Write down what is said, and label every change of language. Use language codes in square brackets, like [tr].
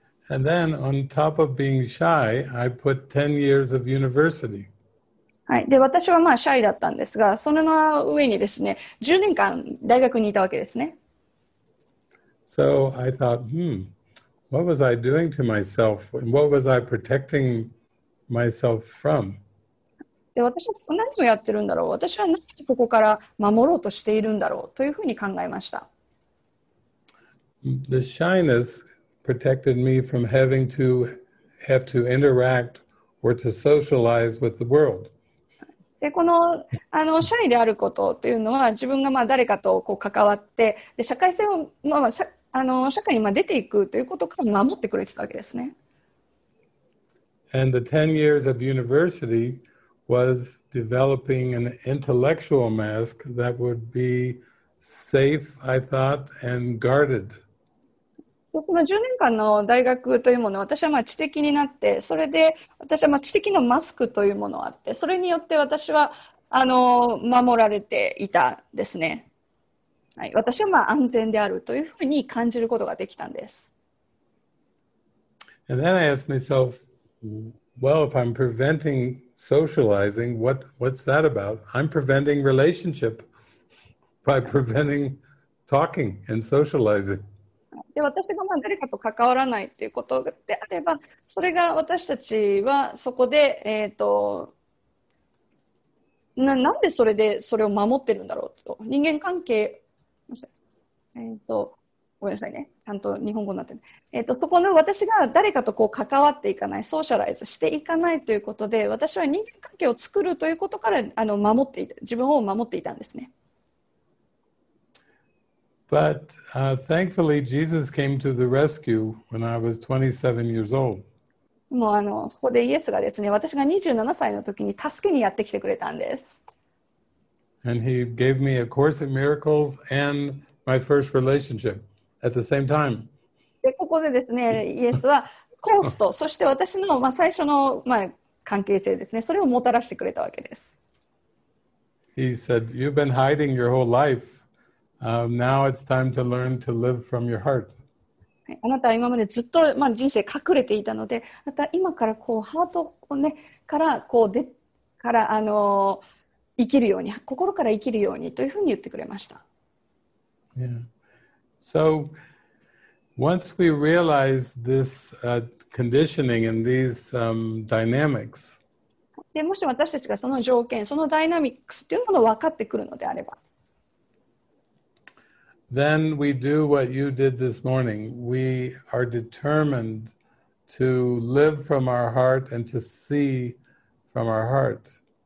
[en] And then on top of being shy, I put 10 years of university. [ja] はい。で、私はまあシャイだったんですが、それの上にですね、10年間大学にいたわけですね。 [en] So I thought, what was I doing to myself? What was I protecting myself from? [ja] で、私はここ何をやってるんだろう。私は何をここから守ろうとしているんだろうというふうに考えました。 [en] The shyness protected me from having to have to interact or to socialize with the world. [ja] で、この、シャイであることというのは、自分がまあ誰かとこう関わって、で、社会性を、まあ、社会にまあ出ていくということから守ってくれてたわけですね。 [en] And the 10 years of university was developing an intellectual mask that would be safe, I thought, and guarded. [ja] その10年間の大学というものは、私はまあ知的になって、それで私はまあ知的のマスクというものがあって、それによって私は守られていたですね。はい、私はまあ安全であるというふうに感じることができたんです。 [en] And then I asked myself, well, if I'm preventing socializing, what's that about? I'm preventing relationship by preventing talking and socializing. [ja] で、私がまあ誰かと関わらないということであれば、それが私たちはそこで、なんでそれでそれを守ってるんだろうと。人間関係、ごめんなさいね、ちゃんと日本語になってる、そこの私が誰かとこう関わっていかない、ソーシャライズしていかないということで、私は人間関係を作るということから守っていた、自分を守っていたんですね。 [en] But thankfully, Jesus came to the rescue when I was 27 years old. [ja] もうそこでイエスがですね、私が27歳の時に助けにやってきてくれたんです。 [en] And he gave me a course in miracles and my first relationship at the same time. [ja] で、ここでですね、イエスはコースと、そして私の、まあ、最初の、まあ、関係性ですね、それをもたらしてくれたわけです。 [en] He said, you've been hiding your whole life. Now it's time to learn to live from your heart. [ja] あなたは今までずっと、まあ、人生隠れていたので、また今からこうハートを、ね、からこうでから生きるように、心から生きるようにというふうに言ってくれました。 [en] Yeah. So, once we realize this conditioning and these dynamics, [ja] でもし私たちがその条件、そのダイナミックスというものを分かってくるのであれば、 [en] then we do what you did this morning. We are determined to live from our heart and to see from our heart.